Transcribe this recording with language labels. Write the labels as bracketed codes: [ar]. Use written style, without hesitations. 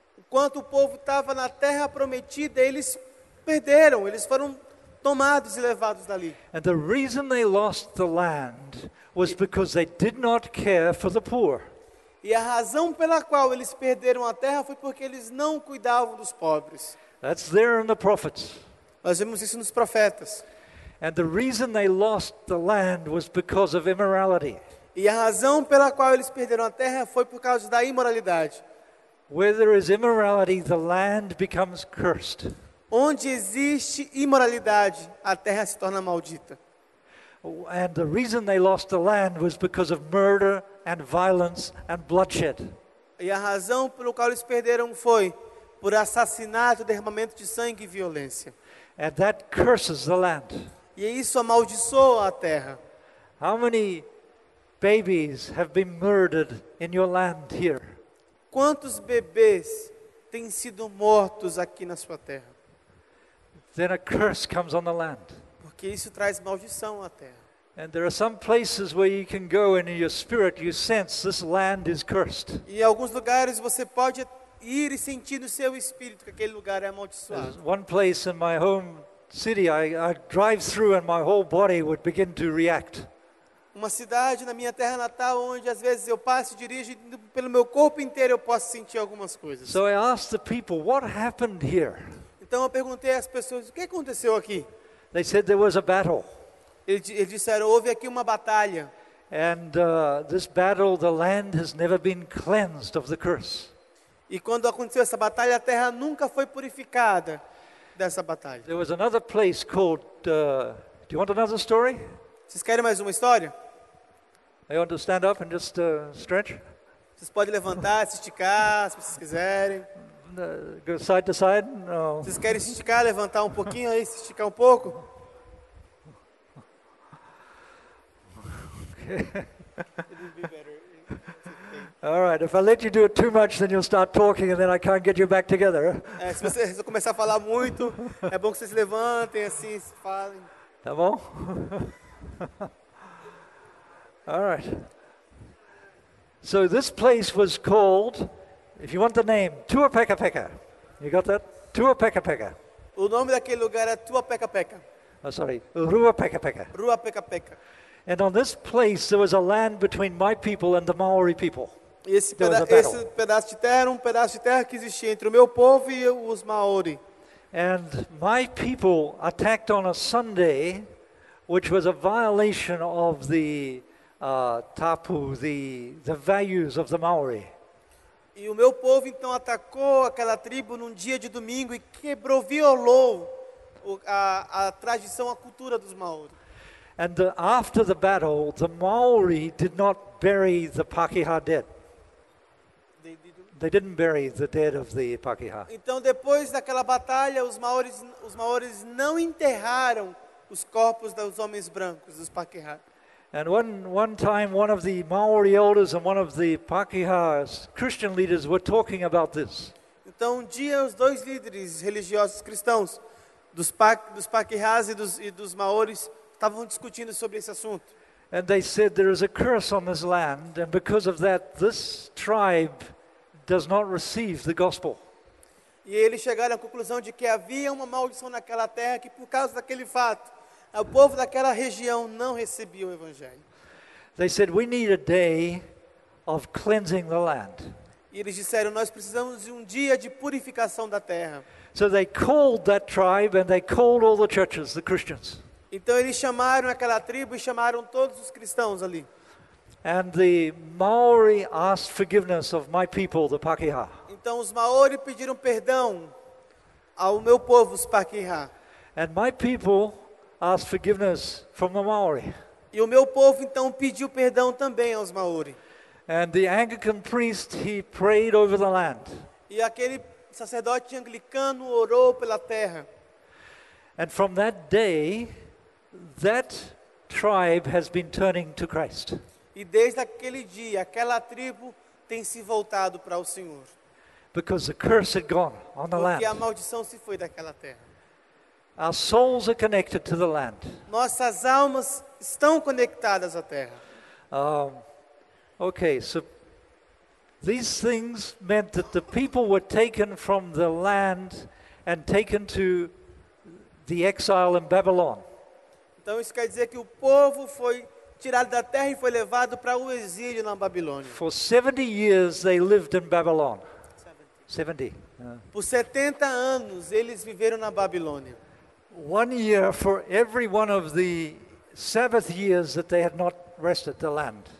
[pt] Enquanto o povo estava na terra prometida, eles perderam, eles foram tomados e levados dali. [en] And the reason they lost the land was because they did not care for the poor. [pt] E a razão pela qual eles perderam a terra foi porque eles não cuidavam dos pobres. [en] That's there in the prophets. [pt] Nós vemos isso nos profetas. [en] And the reason they lost the land was because of immorality. [pt] E a razão pela qual eles perderam a terra foi por causa da imoralidade. [en] Where there is immorality, the land becomes cursed. [pt] Onde existe imoralidade, a terra se torna maldita. [en] And the reason they lost the land was because of murder and violence and bloodshed. [pt] E a razão pela qual eles perderam foi por assassinato, derramamento de sangue e violência. [en] And that curses the land. [pt] E isso amaldiçoa a terra. [en] How many babies have been murdered in your land here? [pt] Quantos bebês têm sido mortos aqui na sua terra? [en] Then a curse comes on the land. [pt] Porque isso traz maldição à terra. [en] And there are some places where you can go and in your spirit you sense this land is cursed. [pt] E alguns lugares você pode ir e sentir no seu espírito que aquele lugar é amaldiçoado. [en] There's one place in my home city I drive through and my whole body would begin to react. [pt] Uma cidade na minha terra natal onde às vezes eu passo e dirijo e pelo meu corpo inteiro eu posso sentir algumas coisas. [en] So I asked the people, what happened here? [pt] Então eu perguntei às pessoas, o que aconteceu aqui? [en] They said there was a battle. [pt] Eles disseram, houve aqui uma batalha. [en] And this battle, the land has never been cleansed of the curse. [pt] E quando aconteceu essa batalha, a terra nunca foi purificada dessa batalha. [en] There was another place called do you want another story? [pt] Vocês querem mais uma história? [en] I want to stand up and just stretch. [pt] Vocês podem levantar, se esticar, se vocês quiserem. [en] Go side to side? No. [pt] Vocês querem se esticar, levantar um pouquinho aí, se esticar um pouco? [en] All right, if I let you do it too much, then you'll start talking and then I can't get you back together. [pt] É, se vocês começar a falar muito, é bom que vocês levantem assim, se falem. Tá bom? [en] All right. So this place was called, if you want the name, Tuapekapeka. You got that? Tuapekapeka. [pt] O nome daquele lugar é Tuapekapeka. [en] Oh, sorry. Ruapekapeka. Ruapekapeka. And on this place there was a land between my people and the Maori people. [pt] Esse pedaço de terra era um pedaço de terra que existia entre o meu povo e os Maori. [en] And my people attacked on a Sunday, which was a violation of the tapu, the values of the Maori. [pt] E o meu povo então atacou aquela tribo num dia de domingo e quebrou, violou a tradição, a cultura dos Maori. [en] And after the battle, the Maori did not bury the Pakeha dead. They didn't bury the dead of the Pakeha. [pt] Então depois daquela batalha, os Maoris não enterraram os corpos dos homens brancos, dos Pakeha. [en] And one time, one of the Maori elders and one of the Pakeha Christian leaders were talking about this. [pt] Então um dia os dois líderes religiosos cristãos dos Pakehas e dos Maoris estavam discutindo sobre esse assunto. [en] And they said there is a curse on this land, and because of that, this tribe does not receive the gospel. [pt] E eles chegaram à conclusão de que havia uma maldição naquela terra que por causa daquele fato o povo daquela região não recebia o evangelho. [en] They said we need a day of cleansing the land. [pt] E eles disseram, nós precisamos de um dia de purificação da terra. [en] So they called that tribe and they called all the churches, the Christians. [pt] Então eles chamaram aquela tribo e chamaram todos os cristãos ali. [en] And the Maori asked forgiveness of my people, the Pakeha. [pt] Então os Maori pediram perdão ao meu povo, os Pakeha. [en] And my people asked forgiveness from the Maori. [pt] E o meu povo então pediu perdão também aos Maori. [en] And the Anglican priest, he prayed over the land. [pt] E aquele sacerdote anglicano orou pela terra. [en] And from that day, that tribe has been turning to Christ. [pt] E desde aquele dia, aquela tribo tem se voltado para o Senhor. [en] Because the curse had gone on the land. [pt] Porque a maldição se foi daquela terra. [en] Our souls are connected to the land. [pt] Nossas almas estão conectadas à terra. [en] Okay, so these things meant that the people were taken from the land and taken to the exile in Babylon. [pt] Então isso quer dizer que o povo foi tirado da terra e foi levado para o exílio na Babilônia. [en] For 70 years they lived in Babylon. 70. [pt] Por 70 anos eles viveram na Babilônia. [en] One year for every one of the Sabbath years that they had not rested the land.